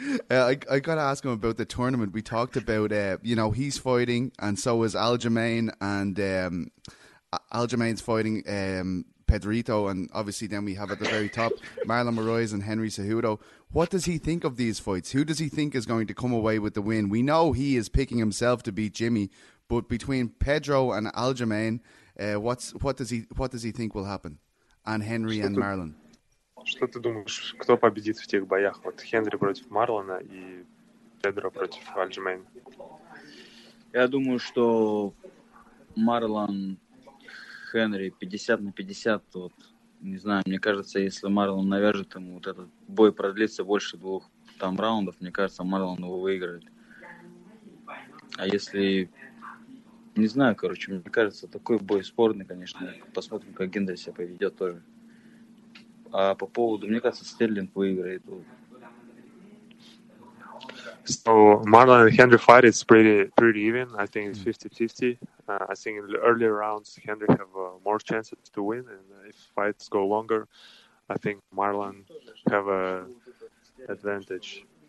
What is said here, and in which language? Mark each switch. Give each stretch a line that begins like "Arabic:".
English: I got to ask him about the tournament. We talked about, you know, he's fighting, and so is Aljamain, and Aljamain's fighting Pedrito, and obviously then we have at the very top Marlon Moraes and Henry Cejudo. What does he think of these fights? Who does he think is going to come away with the win? We know he is picking himself to beat Jimmy, but between Pedro and Aljamain, what does he think will happen? And Henry and Marlon.
Russian: Что ты думаешь, кто победит в тех боях? Вот Хенри против Марлона и Педро против Альджимейна. Я думаю, что Марлон Хенри 50 на 50. Вот, не знаю, мне кажется, если Марлон навяжет ему, вот этот бой продлится больше двух там раундов, мне кажется, Марлон его выиграет. А если... Не знаю, короче, мне кажется, такой бой спорный, конечно. Посмотрим, как Хенри себя поведет тоже. А по поводу, мне кажется, Стерлинг выиграет.
English: So Marlon and Henry fight, it's pretty even. I think it's 50-50. I think in the earlier rounds, Henry have more chances to win. And if fights go longer, I think Marlon have an advantage.